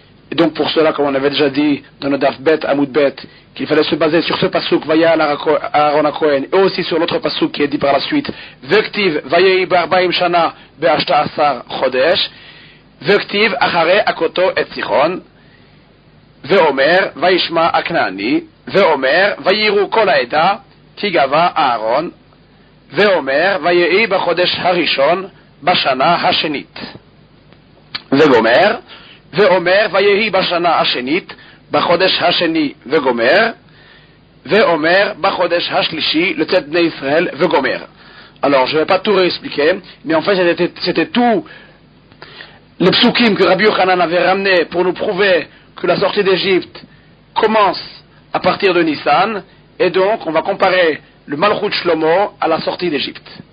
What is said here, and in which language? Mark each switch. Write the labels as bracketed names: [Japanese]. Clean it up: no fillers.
[French] Et donc pour cela, comme on avait déjà dit dans le Daf Bet, Amud Bet, qu'il fallait se baser sur ce pasouk, [Hebrew] Vayal Aaron Akohen, [French] et aussi sur l'autre pasouk qui est dit par la suite, [Hebrew] Vektiv, Vayei Barbaim Shana, Be'ashta Asar Chodesh, Vektiv, Achare Akoto et Sichon, Ve'omer, Vayishma Aknani, Ve'omer, Vayiru Kolaeda, Tigava Aaron, Ve'omer, Vayei Bachodesh Harishon, Bashana Hashenit. Ve'omer, ואומר, ויהי בשנה השנית, בחודש השני, וגומר, ואומר, בחודש השלישי, לצאת בני ישראל, וגומר. [French] Alors, je ne vais pas tout réexpliquer, mais en fait, c'était tout le psukim que Rabbi Yochanan avait ramené pour nous prouver que la sortie d'Égypte commence à partir de Nissan, et donc, on va comparer le Malchut Shlomo à la sortie d'Égypte.